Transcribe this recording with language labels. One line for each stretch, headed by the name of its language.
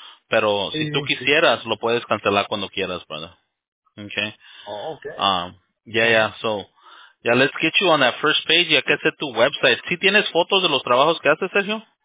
Spanish: Pero si tú quisieras, lo puedes cancelar cuando quieras, brother. Okay.
English: So, yeah, let's get you on that first page.
Spanish: Ya que hace tu website. ¿Sí tienes fotos de los trabajos que haces, Sergio?